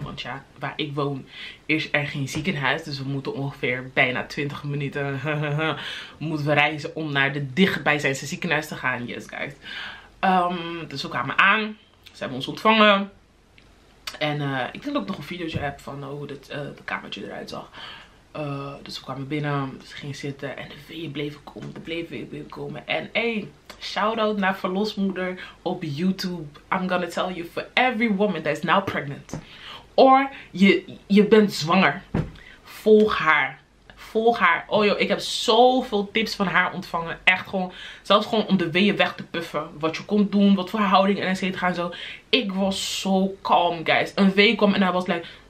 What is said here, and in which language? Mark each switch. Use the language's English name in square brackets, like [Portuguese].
[Dutch] Want ja, waar ik woon is er geen ziekenhuis. Dus we moeten ongeveer bijna 20 minuten moeten we reizen om naar de dichtbijzijnse ziekenhuis te gaan. [English] Yes, guys. [Dutch] Dus we kwamen aan. Ze hebben ons ontvangen. En ik denk dat ik nog een video heb van hoe de kamertje eruit zag. Dus we kwamen binnen, ze gingen zitten en de weeën bleven komen, En hey, shout-out naar verlosmoeder op YouTube. [English] I'm gonna tell you, for every woman that is now pregnant. [Dutch] Or je bent zwanger. Volg haar. Oh joh, ik heb zoveel tips van haar ontvangen. Echt gewoon, zelfs gewoon om de weeën weg te puffen. Wat je kon doen, wat voor houding en etc. en zo. Ik was zo kalm, guys. Een wee kwam en hij was like...